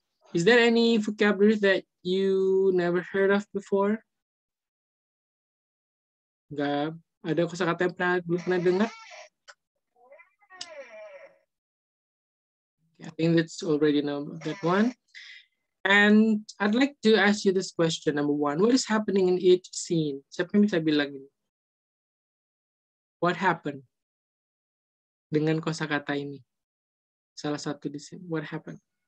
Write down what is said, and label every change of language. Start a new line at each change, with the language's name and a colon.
English: Is there any vocabulary that you never heard of before?
Indonesian: Enggak ada kosakata yang pernah belum pernah dengar?
English: I think that's already know that one. And I'd like to ask you this question, number one. What is happening in each scene?
Indonesian: Siapa yang bisa bilang ini?
English: What happened?
Indonesian: Dengan kosakata ini. Salah satu di
English: scene. What happened?